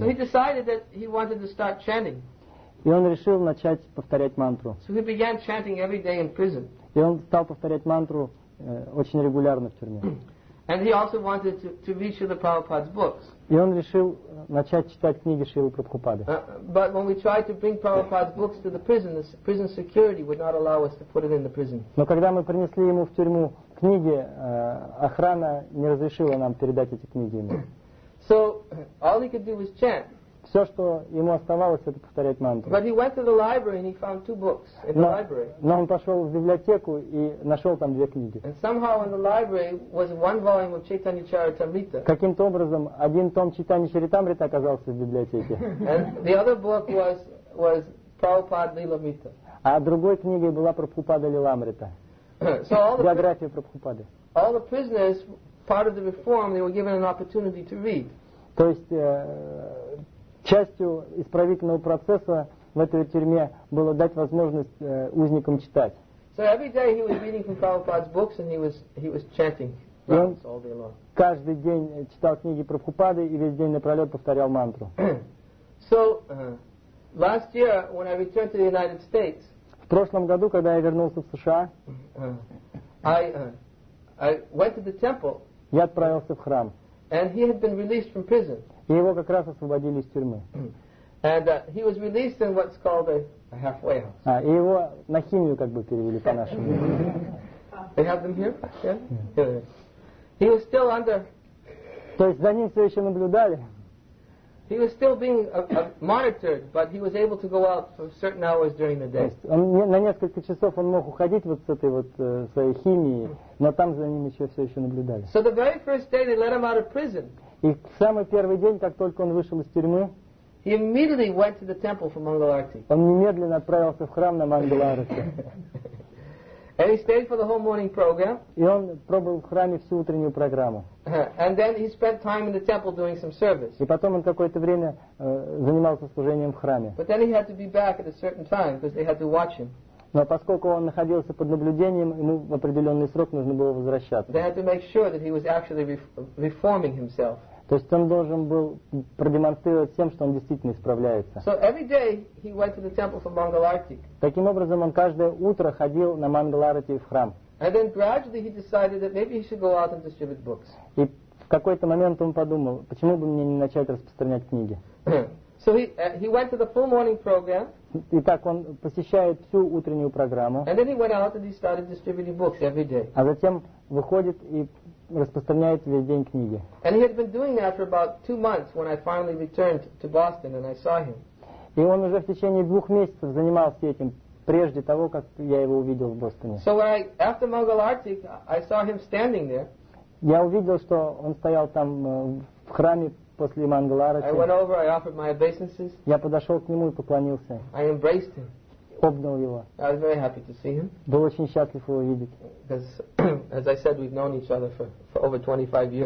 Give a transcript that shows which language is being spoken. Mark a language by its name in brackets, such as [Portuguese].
[English] So he decided that he wanted to start chanting. [Russian] И он решил начать повторять мантру. [English] So he began chanting every day in prison. [Russian] И он стал повторять мантру очень регулярно в тюрьме. [English] And he also wanted to read Srila Prabhupada's books. [Russian] И он решил начать читать книги Шрилы Прабхупады. [English] But when we tried to bring Prabhupada's books to the prison security would not allow us to put it in the prison. [Russian] Но когда мы принесли ему в тюрьму книги, охрана не разрешила нам передать эти книги ему. [English] So all he could do was chant. [Russian] Все, что ему оставалось, это повторять мантру. [English] But he went to the library and he found 2 books in the library. [Russian] Но он пошел в библиотеку и нашел там 2 книги. [English] And somehow in the library was 1 volume of Chaitanya Charitamrita. [Russian] Каким-то образом один том Чайтаньи Чаритамриты оказался в библиотеке. [English] And the other book was Prabhupada Lilamrita. [Russian] А другой книгой была Прабхупада Лиламрита. [English] So [Russian] биография Прабхупады. [English] All the prisoners, part of the reform, they were given an opportunity to read. [Russian] То есть частью исправительного процесса в этой тюрьме было дать возможность узникам читать. [English] So every day he was reading from Prabhupada's books and he was chanting mantras all day long. [Russian] Каждый день читал книги Прабхупады и весь день напролет повторял мантру. [English] So last year when I returned to the United States. [Russian] В прошлом году, когда я вернулся в США, [English] I went to the temple. [Russian] Я отправился в храм. [English] And he had been released from prison. [Russian] И его как раз освободили из тюрьмы. [English] And he was released in what's called a halfway house. [Russian] И его на химию как бы перевели по-нашему. [English] They have them here? Yeah. He was still under. [Russian] То есть за ним все еще наблюдали. [English] He was still being monitored, but he was able to go out for certain hours during the day. [Russian] Он на несколько часов он мог уходить вот с этой вот своей химией, но там за ним еще все еще наблюдали. [English] So the very first day they let him out of prison. [Russian] И в самый первый день, как только он вышел из тюрьмы, [English] he immediately went to the temple for Mangalarti. [Russian] Он немедленно отправился в храм на Мангаларти. [English] And he stayed for the whole morning program. [Russian] И он пробыл в храме всю утреннюю программу. [English] And then he spent time in the temple doing some service. [Russian] И потом он какое-то время занимался служением в храме. [English] But then he had to be back at a certain time because they had to watch him. [Russian] Но поскольку он находился под наблюдением, ему в определенный срок нужно было возвращаться. [English] They had to make sure that he was actually reforming himself. [Russian] То есть он должен был продемонстрировать всем, что он действительно исправляется. [English] So every day he went to the temple for Mangalarti. [Russian] Таким образом, он каждое утро ходил на Мангаларти в храм. [English] And then gradually he decided that maybe he should go out and distribute books. [Russian] И в какой-то момент он подумал, почему бы мне не начать распространять книги. [English] So he went to the full morning program. [Russian] Итак, он посещает всю утреннюю программу. [English] And then he went out and he started distributing books every day. [Russian] А затем выходит и распространяет весь день книги. [English] And he had been doing that for about 2 months when I finally returned to Boston and I saw him. [Russian] И он уже в течение 2 месяцев занимался этим, прежде того, как я его увидел в Бостоне. [English] So when after Mangalarti, I saw him standing there. [Russian] Я увидел, что он стоял там в храме после Мангаларти. [English] I went over, I offered my obeisances. [Russian] Я подошел к нему и поклонился. [English] I embraced him. [Russian] Обнял его. [English] I was very happy to see him. [Russian] Был очень счастлив его видеть. [English] Because, as I said, we've known each other for over 25 years.